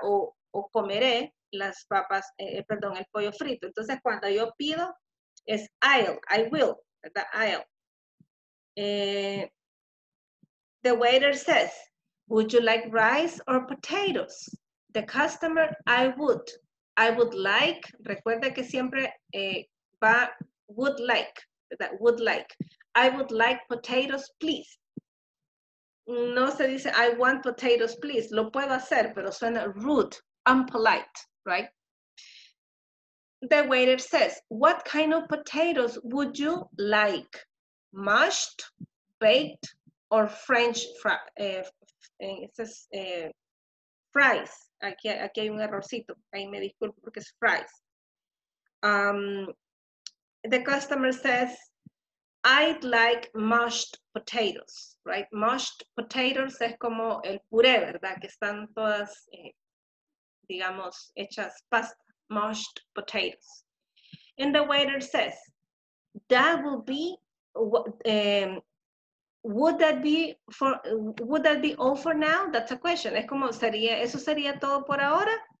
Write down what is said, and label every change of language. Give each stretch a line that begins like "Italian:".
Spanish: O comeré las papas, perdón, el pollo frito. Entonces, cuando yo pido, es I will, ¿verdad?
English: I'll. The waiter says, would you like rice or potatoes? The customer, I would. I would like,
Spanish: recuerda que siempre va,
English: would like, ¿verdad? Would like. I would like potatoes, please.
Spanish: No se dice,
English: I want potatoes, please.
Spanish: Lo puedo hacer, pero suena
English: rude, unpolite, right? The waiter says, what kind of potatoes would you like? Mashed, baked, or French fries?
Spanish: Aquí hay un errorcito. Ahí me disculpo porque es fries.
English: The customer says, I'd like mashed potatoes, right?
Spanish: Mashed potatoes es como el puré, ¿verdad? Que están todas, digamos, hechas pasta.
English: Mashed potatoes. And the waiter says, that will be, would that be all for now? That's a question.
Spanish: Es como, sería, ¿eso sería todo por ahora?